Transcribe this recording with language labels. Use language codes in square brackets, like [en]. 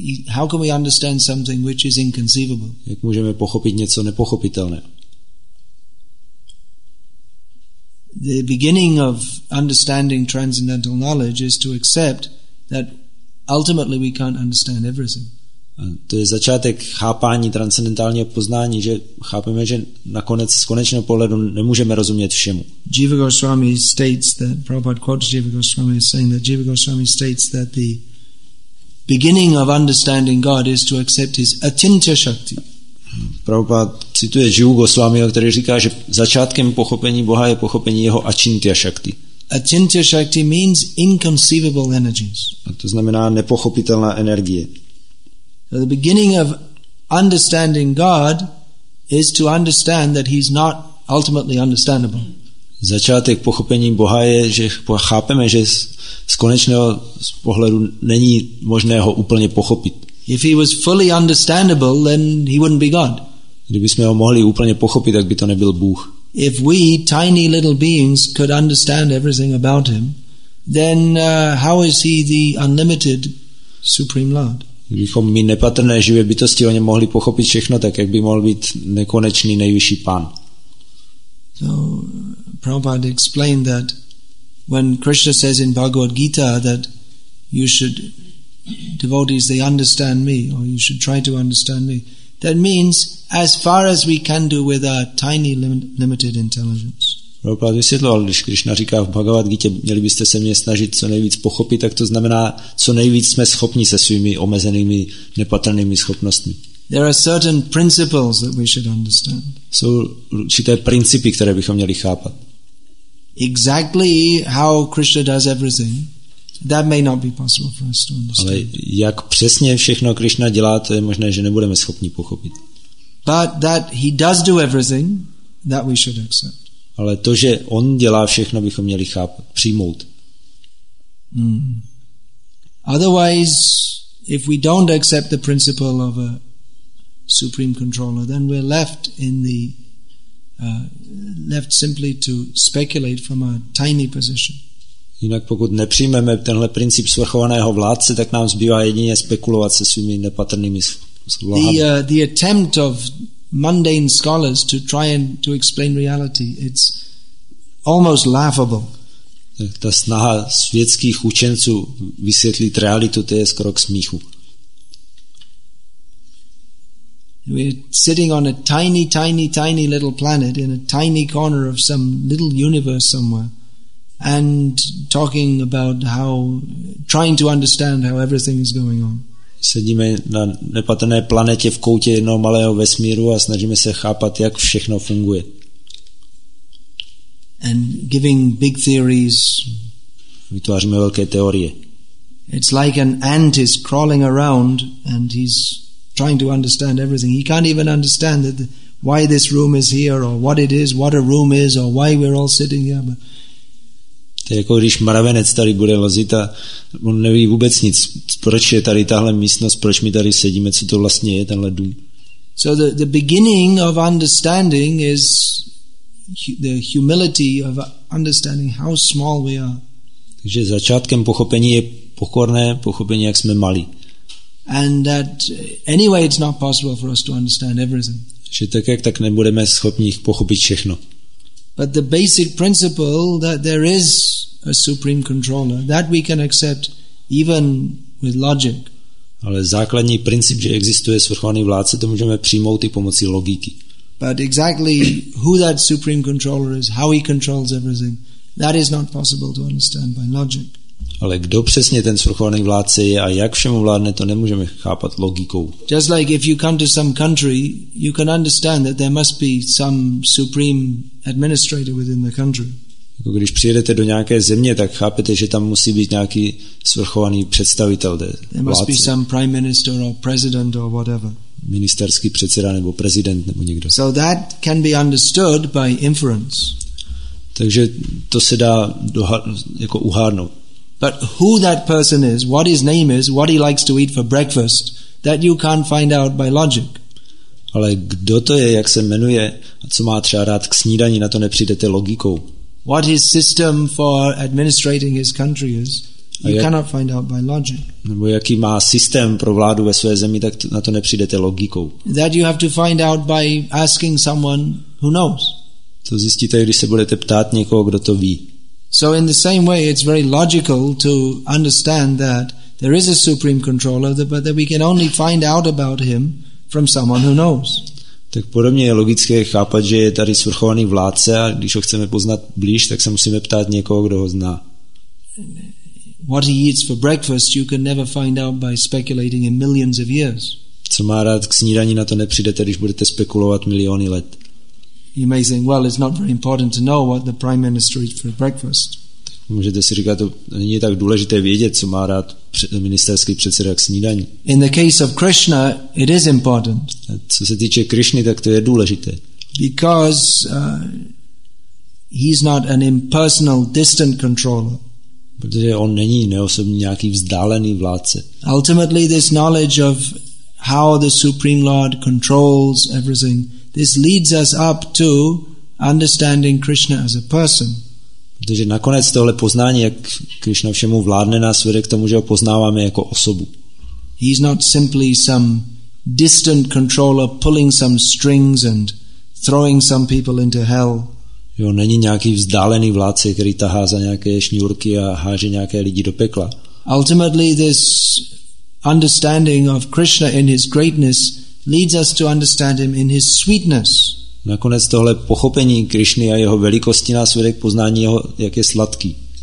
[en] How can we understand something which is inconceivable? [cs] Jak můžeme pochopit něco nepochopitelné? [en] The beginning of understanding transcendental knowledge is to accept that ultimately we can't understand everything. [cs] A to je začátek chápání transcendentálního poznání, že chápeme, že nakonec z konečného pohledu nemůžeme rozumět všemu. [en] Jiva Goswami states that Prabhupada quotes Jiva Goswami saying that Jiva Goswami states that the beginning of understanding God is to accept his achintya shakti. [cs] Prabhupada cituje Jivu Goswamiho, který říká, že začátkem pochopení Boha je pochopení jeho achintya shakti. [en] Achintya shakti means inconceivable energies. [cs] A to znamená nepochopitelná energie. [en] So the beginning of understanding God is to understand that he's not ultimately understandable. [cs] Začátek pochopení Boha je, že chápeme, že z konečného pohledu není možné ho úplně pochopit. [en] If he was fully understandable, then he wouldn't be God. [cs] Kdybychom ho mohli úplně pochopit, tak by to nebyl Bůh. [en] If we tiny little beings could understand everything about him, then how is he the unlimited supreme Lord? [cs] Kdybychom my nepatrné živé bytosti o něm mohli pochopit všechno, tak jak by mohl být nekonečný nejvyšší Pán? [en] So, Prabhupada explained that when Krishna says in Bhagavad Gita that you should, devotees, they understand me, or you should try to understand me, that means as far as we can do with our tiny limited intelligence. [cs] Prabhupada vysvětloval, když Krishna říká v Bhagavad Gita, měli byste se mě snažit co nejvíc pochopit, tak to znamená, co nejvíc jsme schopni se svými omezenými nepatrnými schopnostmi. [en] There are certain principles that we should understand. [cs] Jsou určité principy, které bychom měli chápat. [en] Exactly how Krishna does everything, that may not be possible for us to understand. [cs] Ale jak přesně všechno Krishna dělá, to je možné, že nebudeme schopni pochopit. [en] But that he does do everything, that we should accept. [cs] Ale to, že on dělá všechno, bychom měli chápat, přijmout. [en] Otherwise, if we don't accept the principle of a supreme controller, then we're left in the left simply to speculate from a tiny position. [cs] Jinak pokud nepřijmeme tenhle princip svrchovaného vládce, tak nám zbývá jedině spekulovat se svými nepatrnými vláhami. [en] The attempt of mundane scholars to try and to explain reality, it's almost laughable. [cs] Ta snaha světských učenců vysvětlit realitu, to je skoro k smíchu. [en] We're sitting on a tiny, tiny, tiny little planet in a tiny corner of some little universe somewhere and talking about how, trying to understand how everything is going on. [cs] Sedíme na nepatrné planetě v koutě jednoho malého vesmíru a snažíme se chápat, jak všechno funguje. [en] And giving big theories. [cs] Vytváříme velké teorie. [en] It's like an ant is crawling around and he's trying to understand everything. He can't even understand that why this room is here or what it is, what a room is or why we're all sitting here. But [cs] to je jako když mravenec tady bude lozit a on neví vůbec nic, proč je tady tahle místnost, proč my tady sedíme, co to vlastně je tenhle dům. [en] So the beginning of understanding is the humility of understanding how small we are. [cs] Takže začátkem pochopení je pokorné pochopení, jak jsme malí. [en] And that anyway it's not possible for us to understand everything. [cs] Že tak jak tak nebudeme schopni pochopit všechno. [en] But the basic principle that there is a supreme controller, that we can accept even with logic. [cs] Ale základní princip, že existuje svrchovaný vládce, to můžeme přijmout i pomocí logiky. [en] But exactly who that supreme controller is, how he controls everything, that is not possible to understand by logic. [cs] Ale kdo přesně ten svrchovaný vládce je a jak všemu vládne, to nemůžeme chápat logikou. [en] Just like if you come to some country, you can understand that there must be some supreme administrator within the country. [cs] Jako když přijedete do nějaké země, tak chápete, že tam musí být nějaký svrchovaný představitel, vládce. [en] There must be some prime minister or president or whatever. [cs] Ministerský předseda nebo prezident nebo někdo. [en] So that can be understood by inference. [cs] Takže to se dá jako uhádnout. [en] But who that person is, what his name is, what he likes to eat for breakfast, that you can't find out by logic. [cs] Ale kdo to je, jak se jmenuje, a co má třeba rád k snídani, na to nepřijdete logikou. [en] What his system for administrating his country is, you cannot find out by logic. [cs] Nebo jaký má systém pro vládu ve své zemi, tak na to nepřijdete logikou. [en] That you have to find out by asking someone who knows. [cs] To zjistíte, když se budete ptát někoho, kdo to ví. [en] So in the same way it's very logical to understand that there is a supreme controller but that we can only find out about him from someone who knows. [cs] Tak podobně je logické chápat, že je tady svrchovaný vládce a když ho chceme poznat blíž, tak se musíme ptát někoho, kdo ho zná. [en] What he eats for breakfast you can never find out by speculating in millions of years. [cs] Co má rád k snídani, na to nepřijdete, když budete spekulovat miliony let. [en] You may think, well, it's not very important to know what the prime minister eats for breakfast. [cs] Můžete si říkat, to není tak důležité vědět, co má rád ministerský předseda k snídani. [en] In the case of Krishna, it is important. [cs] A co se týče Krishny, tak to je důležité. [en] Because he's not an impersonal, distant controller. [cs] Protože on není neosobní nějaký vzdálený vládce. [en] Ultimately, this knowledge of how the Supreme Lord controls everything. This leads us up to understanding Krishna as a person. [cs] Protože nakonec tohle poznání, jak Krishna všemu vládne, nás vede k tomu, že ho poznáváme jako osobu. [en] He's not simply some distant controller pulling some strings and throwing some people into hell. [cs] Jo, není nějaký vzdálený vládce, který tahá za nějaké šňůrky a háže nějaké lidi do pekla. [en] Ultimately this understanding of Krishna in his greatness leads us to understand him in his sweetness. [cs] Nakonec tohle pochopení Krišny a jeho velikosti nás vede k poznání jeho, jak je sladký.